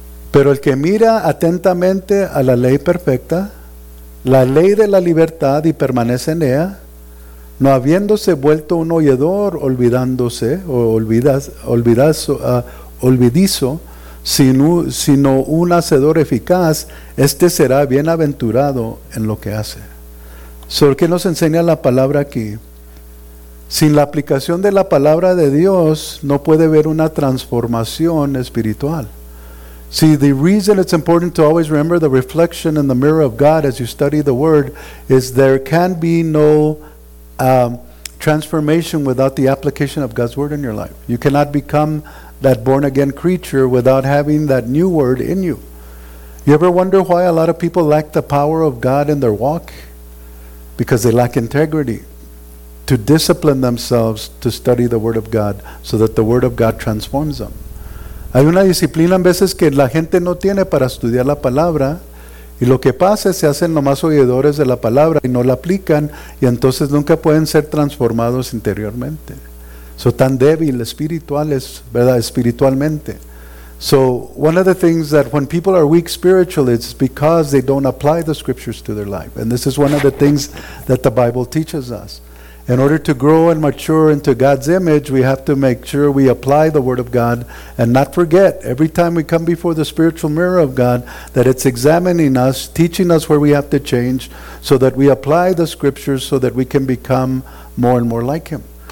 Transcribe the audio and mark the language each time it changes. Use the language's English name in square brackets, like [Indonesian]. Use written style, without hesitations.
[Spanish] Pero el que mira atentamente a la ley perfecta, la ley de la libertad, y permanece en ella, no habiéndose vuelto un oyedor olvidándose o olvidizo, sino un hacedor eficaz, este será bienaventurado en lo que hace. ¿Sobre qué nos enseña la palabra aquí? Sin la aplicación de la palabra de Dios, no puede haber una transformación espiritual. [English] See, the reason it's important to always remember the reflection in the mirror of God as you study the word is there can be no transformation without the application of God's word in your life. You cannot become that born again creature without having that new word in you. You ever wonder why a lot of people lack the power of God in their walk? Because they lack integrity to discipline themselves to study the word of God so that the word of God transforms them. [Spanish] Hay una disciplina en veces que la gente no tiene para estudiar la palabra, y lo que pasa es que se hacen nomás oidores de la palabra y no la aplican, y entonces nunca pueden ser transformados interiormente. Son tan débiles espirituales, ¿verdad? Espiritualmente. [English] So, one of the things that when people are weak spiritually, it's because they don't apply the scriptures to their life. And this is one of the things that the Bible teaches us. In order to grow and mature into God's image, we have to make sure we apply the Word of God and not forget, every time we come before the spiritual mirror of God, that it's examining us, teaching us where we have to change, so that we apply the scriptures so that we can become more and more like Him.